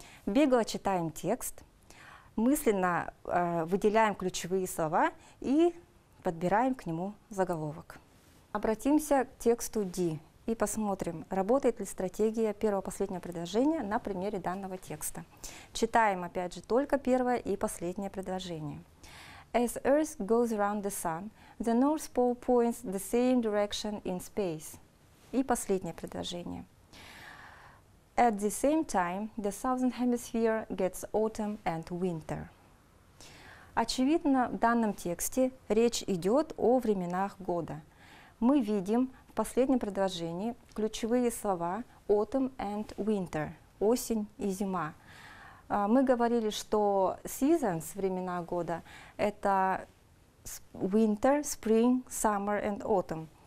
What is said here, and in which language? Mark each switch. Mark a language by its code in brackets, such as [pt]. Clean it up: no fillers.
[ru] Бегло читаем текст, мысленно выделяем ключевые слова и подбираем к нему заголовок. Обратимся к тексту D и посмотрим, работает ли стратегия первого-последнего предложения на примере данного текста. Читаем опять же только первое и последнее предложение. [en] As Earth goes around the sun, the North Pole points the same direction in space. [ru] И последнее предложение. [en] At the same time, the southern hemisphere gets autumn and winter. [ru] Очевидно, в данном тексте речь идет о временах года. Мы видим последнем предложении ключевые слова [en] autumn and winter, [ru] осень и зима. Мы говорили, что seasons, времена года, это [en] winter, spring, summer and autumn.